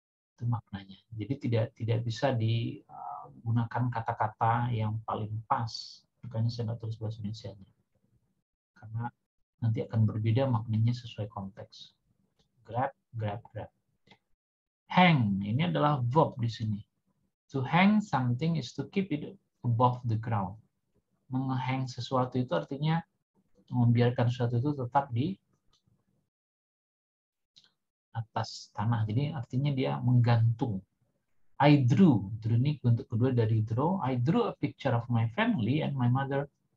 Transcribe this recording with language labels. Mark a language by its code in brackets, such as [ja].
[id] Itu maknanya. Jadi tidak bisa digunakan kata-kata yang paling pas. Makanya saya nggak tulis bahasa Indonesia-nya. Karena nanti akan berbeda maknanya sesuai konteks. Grab, grab, grab. Hang, ini adalah verb di sini. [en] To hang something is to keep it above the ground. [id] Menghang sesuatu itu artinya membiarkan sesuatu itu tetap di atas tanah. Jadi artinya dia menggantung. [en] I drew. [id] Drew ini bentuk kedua dari draw. [en] I drew a picture of my family and my mother.